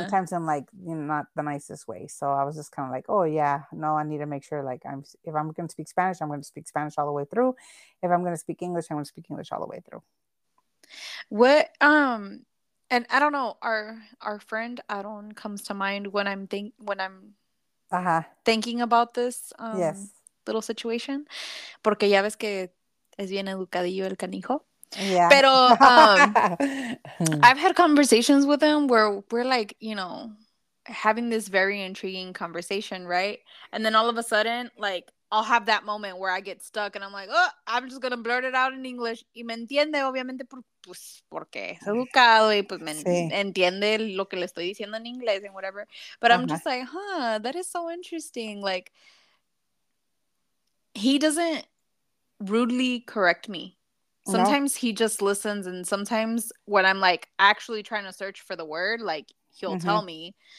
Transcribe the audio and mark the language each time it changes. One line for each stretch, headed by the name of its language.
English: sometimes in like, not the nicest way. So I was just kind of like, oh, yeah, no, I need to make sure, like, if I'm going to speak Spanish, I'm going to speak Spanish all the way through. If I'm going to speak English, I'm going to speak English all the way through. And I don't know, our friend Aaron comes to mind when I'm thinking about this Yes. little situation,
Spanish: porque ya ves que es bien educadillo el canijo.
English: Yeah.
Spanish: Pero
English: I've Mm-hmm. had conversations with him where we're like, having this very intriguing conversation, right? And then all of a sudden, like, I'll have that moment where I get stuck and I'm like, oh, I'm just gonna blurt it out in English.
Spanish: Y me entiende, obviamente, porque es educado y pues me Sí. entiende lo que le estoy diciendo en inglés
English: and whatever. But I'm just like, huh, that is so interesting. Like, he doesn't rudely correct me. No. Sometimes he just listens, and sometimes when I'm like actually trying to search for the word, like he'll tell me.